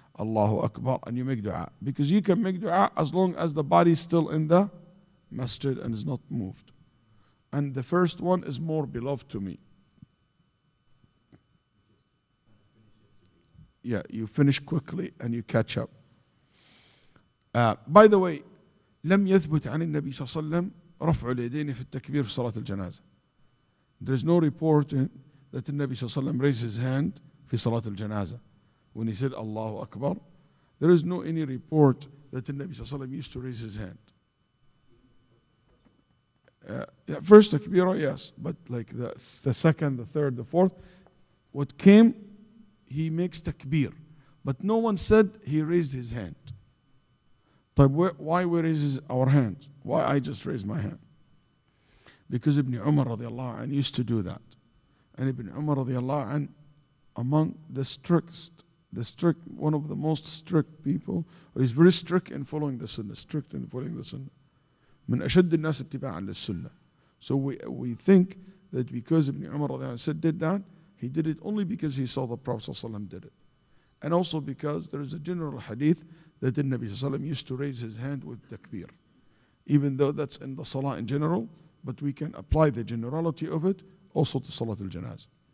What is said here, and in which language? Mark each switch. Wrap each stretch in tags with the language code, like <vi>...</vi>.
<en>Allahu Akbar, and you make dua. Because you can make dua as long as the body is still in the masjid and is not moved. And the first one is more beloved to me. Yeah, you finish quickly and you catch up. By the way,</en> <ar>لم يثبت عن النبي صلى الله عليه وسلم رفع اليدين في التكبير في صلاة الجنازة.</ar> <en>There is no report that the Nabi صلى الله عليه وسلم raised his hand</en> <ar>في صلاة الجنازة.</ar> <en>When he said Allahu Akbar, there is no any report that the Nabi Sallallahu Alaihi Wasallam used to raise his hand. First takbirah, yes, but like the second, the third, the fourth, what came, he makes takbir, but no one said he raised his hand. Why we raise our hand? Why I just raise my hand? Because Ibn Umar radiallahu anhu used to do that, and Ibn Umar radiallahu anhu, among the strictest. The strict, one of the most strict people, he's very strict in following the sunnah. Strict in following the sunnah.</en> <ar>من أشد الناس اتباعا للسنة.</ar> <en>So we think that because Ibn Umar radiallahu anhu did that, he did it only because he saw the Prophet ﷺ did it, and also because there is a general hadith that the Nabi ﷺ used to raise his hand with takbir, even though that's in the salah in general, but we can apply the generality of it also to salat al-janaz.</en>